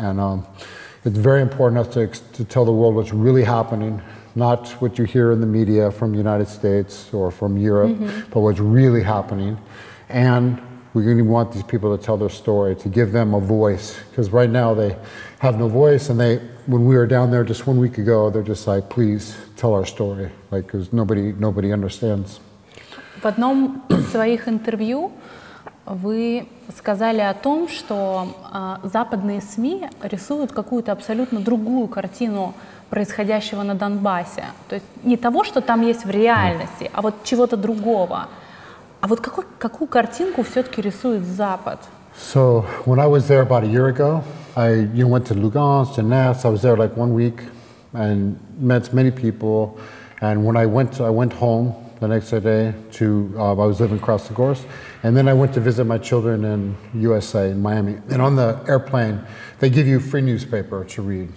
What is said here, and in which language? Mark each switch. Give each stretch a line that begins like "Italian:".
English: And it's very important us to tell the world what's really happening, not what you hear in the media from the United States or from Europe, mm-hmm. but what's really happening. And we really want these people to tell their story, to give them a voice, because right now they have no voice. And when we were down there just 1 week ago, they're just like, please tell our story, like, because nobody understands.
Russian: В одном из своих интервью вы сказали о том, что западные СМИ рисуют какую-то абсолютно другую картину происходящего на Донбассе. То есть не того, что там есть в реальности, а вот чего-то другого. А вот какую картинку все-таки рисует Запад?
English: So when I was there about a year ago, I went to Lugansk, Donetsk. I was there like 1 week and met many people. And when I went home the next day to I was living across the course. And then I went to visit my children in USA, in Miami. And on the airplane, they give you free newspaper to read.